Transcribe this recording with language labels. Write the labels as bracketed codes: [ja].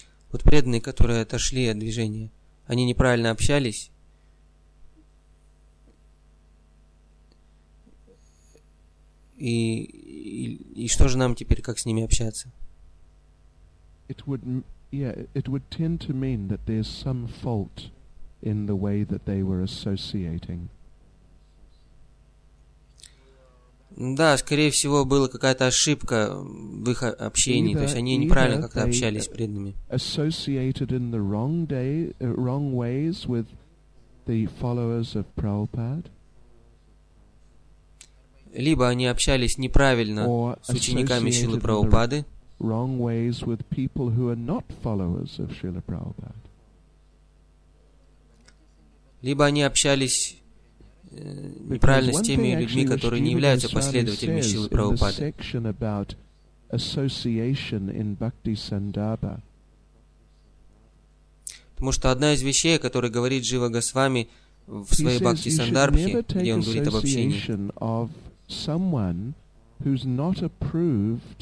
[ru] Вот преданные, которые отошли от движения, они неправильно общались. И что же нам теперь, как с ними общаться? [en] It would tend to mean that there's some fault in the way that they were associating. [ru] Да, скорее всего, была какая-то ошибка в их общении, то есть они неправильно как-то общались с преданными. [en] Associated in the wrong ways with the followers of Prabhupada. [ru] Либо они общались неправильно с учениками Шрилы Прабхупады. [en] Wrong ways with people who are not followers of Srila Prabhupada. [ru] Либо они общались неправильно с теми людьми, которые не являются последователями Шилы Прабхупады. Потому что одна из вещей, о которой говорит Джива Госвами в своей Бхакти Сандарбхе, где он говорит об общении,